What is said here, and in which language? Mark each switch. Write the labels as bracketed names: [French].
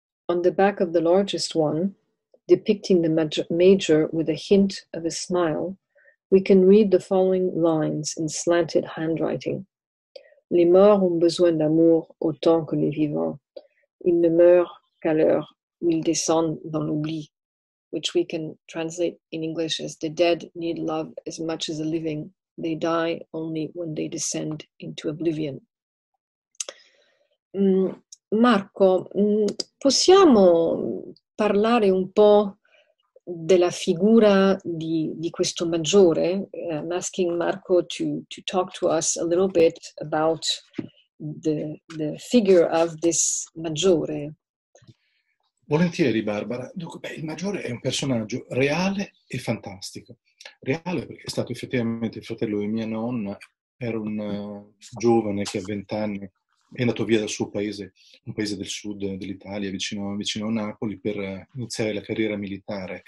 [English] On the back of the largest one, depicting the Major with a hint of a smile, we can read the following lines in slanted handwriting: [French] Les morts ont besoin d'amour autant que les vivants. Ils ne meurent qu'à l'heure où ils descendent dans l'oubli, [English] which we can translate in English as the dead need love as much as the living. They die only when they descend into oblivion. [Italian] Marco, possiamo parlare un po' della figura di questo maggiore? [English] I'm asking Marco to talk to us a little bit about the figure of this maggiore. [Italian] Volentieri, Barbara. Dunque, beh, il maggiore è un personaggio reale e fantastico. Reale perché è stato effettivamente il fratello di mia nonna, era un giovane che a 20 anni è andato via dal suo paese, un paese del sud dell'Italia, vicino a Napoli, per iniziare la carriera militare.